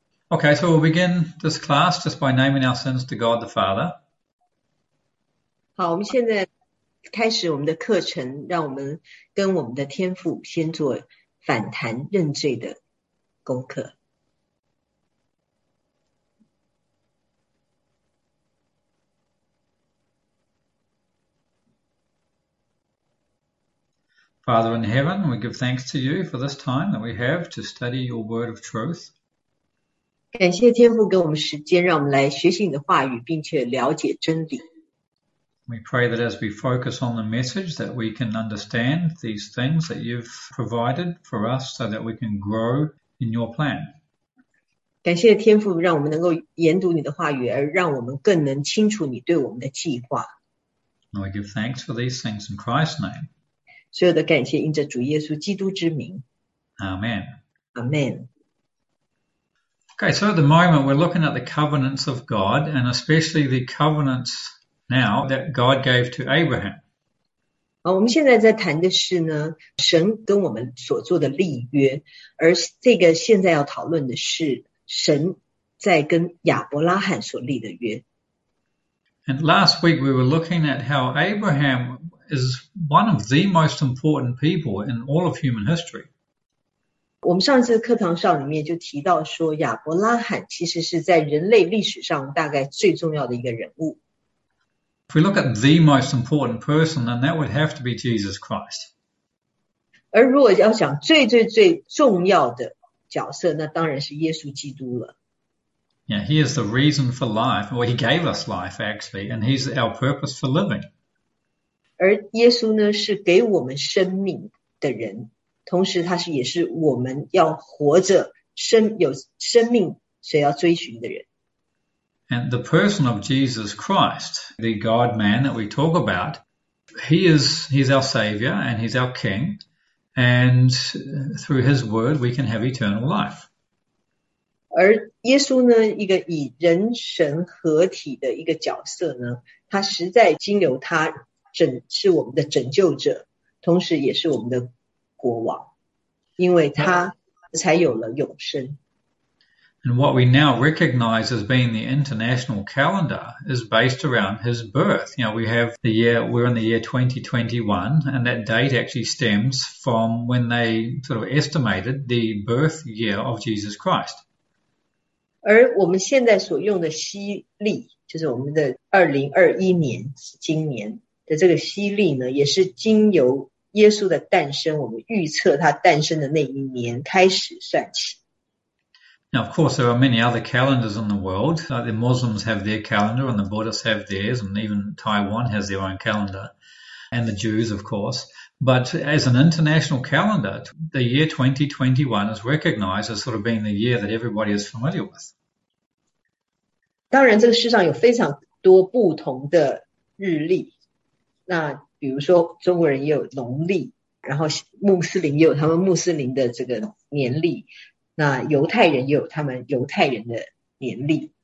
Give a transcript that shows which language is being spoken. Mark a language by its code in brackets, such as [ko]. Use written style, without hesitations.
[en] Okay, so we'll begin this class just by naming our sins to God the Father. [zh] 好，我们现在开始我们的课程，让我们跟我们的天父先做反弹认罪的功课。 [en] Father in heaven, we give thanks to you for this time that we have to study your word of truth. [zh] 感谢天父给我们时间，让我们来学习你的话语，并且了解真理。 [en] We pray that as we focus on the message, that we can understand these things that you've provided for us so that we can grow in your plan. [zh] 感谢天父，让我们能够研读你的话语，而让我们更能清楚你对我们的计划。 [en] And we give thanks for these things in Christ's name. [zh] 所有的感谢因着主耶稣基督之名。 [en] Amen. Amen。 Okay, so at the moment we're looking at the covenants of God and especially the covenants now that God gave to Abraham. [zh] 我们现在在谈的是呢，神跟我们所做的立约，而这个现在要讨论的是神在跟亚伯拉罕所立的约。 [en] And last week we were looking at how Abraham is one of the most important people in all of human history. [zh] 我们上次课堂上里面就提到说，亚伯拉罕其实是在人类历史上大概最重要的一个人物。 [en] If we look at the most important person, then that would have to be Jesus Christ. [zh] 而如果要讲最最最重要的角色，那当然是耶稣基督了。 [en] Yeah, he is the reason for life, or he gave us life, actually, and he's our purpose for living. [zh] 而耶稣呢，是给我们生命的人，同时他是也是我们要活着、有生命所要追寻的人。 [en] And the person of Jesus Christ, the God-man that we talk about, he's our savior and he's our king, and through his word we can have eternal life. [zh] 而耶稣呢，一个以人神合体的一个角色呢，他实在经由他是我们的拯救者，同时也是我们的国王，因为他才有了永生。 [en] And what we now recognize as being the international calendar is based around his birth. You know, we're in the year 2021, and that date actually stems from when they sort of estimated the birth year of Jesus Christ. [zh] 而我们现在所用的西历，就是我们的2021年，今年的这个西历呢，也是经由耶稣的诞生，我们预测他诞生的那一年开始算起。 [en] Now, of course, there are many other calendars in the world. Like the Muslims have their calendar, and the Buddhists have theirs, and even Taiwan has their own calendar, and the Jews, of course. But as an international calendar, the year 2021 is recognized as sort of being the year that everybody is familiar with. [zh] 当然，这个世上有非常多不同的日历。那比如说，中国人也有农历，然后穆斯林也有他们穆斯林的这个年历，那犹太人也有他们犹太人的年历。